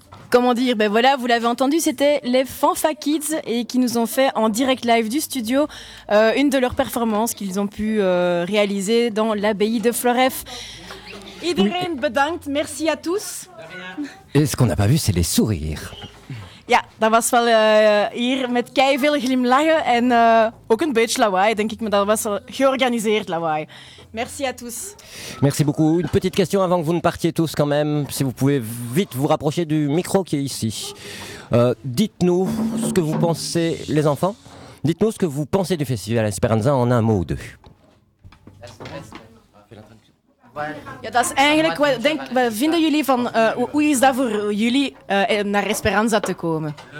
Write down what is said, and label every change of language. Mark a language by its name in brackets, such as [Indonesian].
[French] Comment dire, ben voilà, vous l'avez entendu, c'était les Fanfa Kids et qui nous ont fait en direct live du studio une de leurs performances qu'ils ont pu réaliser dans l'abbaye de Floreffe. [Dutch] Iedereen bedankt, [French] merci à tous. Et ce qu'on n'a pas vu, c'est les sourires. [Dutch] Ja, dat was wel hier met keiveel glimlachen en ook een beetje lawaai, denk ik, maar dat was georganiseerd lawaai. [French] Merci à tous. Merci beaucoup. Une petite question avant que vous ne partiez tous quand même, si vous pouvez vite vous rapprocher du micro qui est ici. Dites-nous ce que vous pensez, les enfants, dites-nous ce que vous pensez du festival Esperanza en un mot ou deux. [Dutch] Ja, dat is eigenlijk, wat vinden jullie van, hoe is dat voor jullie naar Esperanza te komen?